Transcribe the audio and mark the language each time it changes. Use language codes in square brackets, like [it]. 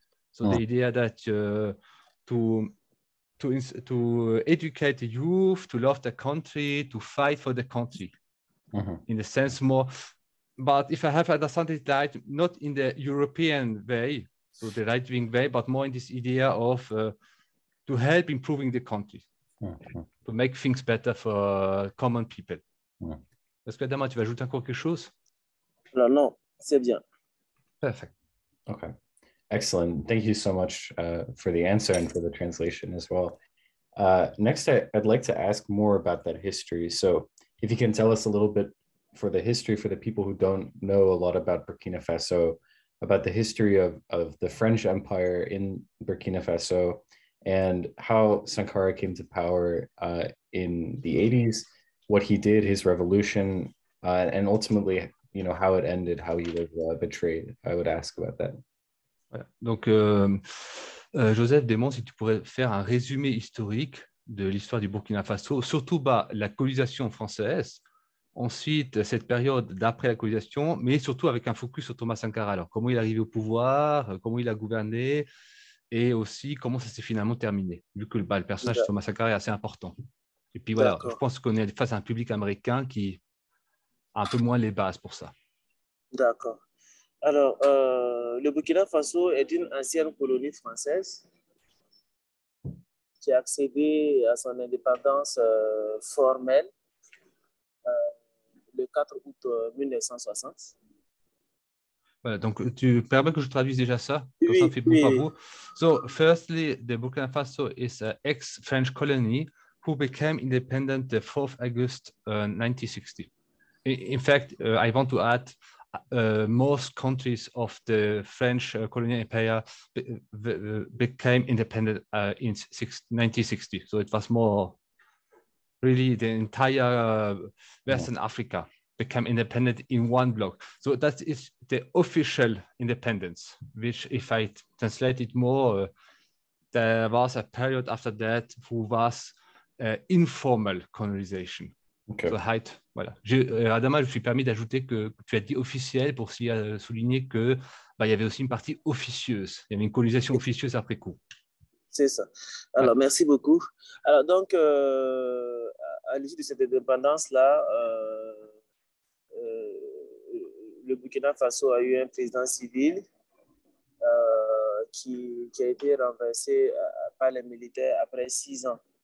[en] So the idea that to educate the youth, to love the country, to fight for the country, in a sense more. But if I have understood it right, not in the European way, so the right-wing way, but more in this idea of to help improving the country, to make things better for common people. [fr] Est-ce que Adama, tu vas ajouter encore quelque chose? Non, c'est bien. [en] Perfect. Okay. Excellent. Thank you so much for the answer and for the translation as well. Next, I'd like to ask more about that history. So, if you can tell us a little bit for the history for the people who don't know a lot about Burkina Faso, about the history of the French Empire in Burkina Faso and how Sankara came to power in the 80s, what he did, his revolution, and ultimately, you know, how it ended, how he was betrayed. I would ask about that. [fr] Donc, Joseph demande si tu pourrais faire un résumé historique de l'histoire du Burkina Faso, surtout bah, la colonisation française, ensuite cette période d'après la colonisation, mais surtout avec un focus sur Thomas Sankara. Alors, comment il est arrivé au pouvoir, comment il a gouverné, et aussi comment ça s'est finalement terminé, vu que bah, le personnage de Thomas Sankara est assez important. Et puis voilà, d'accord, je pense qu'on est face à un public américain qui a un peu moins les bases pour ça. D'accord. Alors, le Burkina Faso est une ancienne colonie française qui a accédé à son indépendance formelle le 4 août 1960. Voilà, donc tu permets que je traduise déjà ça, oui, comme ça fait beaucoup à vous. [en] So, firstly, the Burkina Faso is an ex-French colony who became independent the 4th August 1960. In fact, I want to add, most countries of the French colonial empire became independent in 1960. So it was more really the entire Western Africa became independent in one block. So that is the official independence, which if I translate it more, there was a period after that who was informal colonization. Okay. So, height, voilà. [fr] Adama, je suis permis d'ajouter que tu as dit officiel pour souligner que bah, il y avait aussi une partie officieuse. Il y avait une colonisation officieuse après coup. C'est ça. Alors, ouais, merci beaucoup. Alors, donc, à l'issue de cette indépendance-là, le Burkina Faso a eu un président civil qui a été renversé par les militaires après 6 ans.